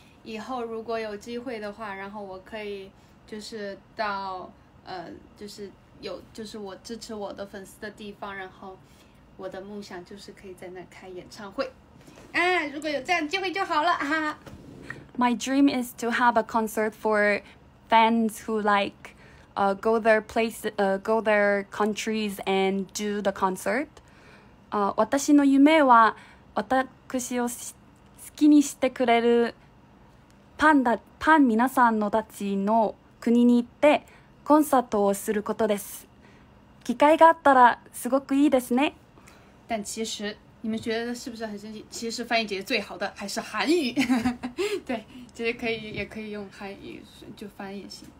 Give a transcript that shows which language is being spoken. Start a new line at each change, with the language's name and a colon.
Chinese: 以后如果有机会的话，然后我可以就是到就是有就是我支持我的粉丝的地方，然后我的梦想就是可以在那开演唱会，如果有这样机会就好了哈。
English: My dream is to have a concert for fans who like go their place go their countries and do the concert.
Japanese: 私の夢は私を好きにしてくれるパン皆さんのたちの国に行ってコンサートをすることです。機会があったらすごくいいですね。
Chinese: 但其实你们觉得是不是很神奇？其实翻译姐姐最好的还是韩语。对，其实可以也可以用韩语就翻译行。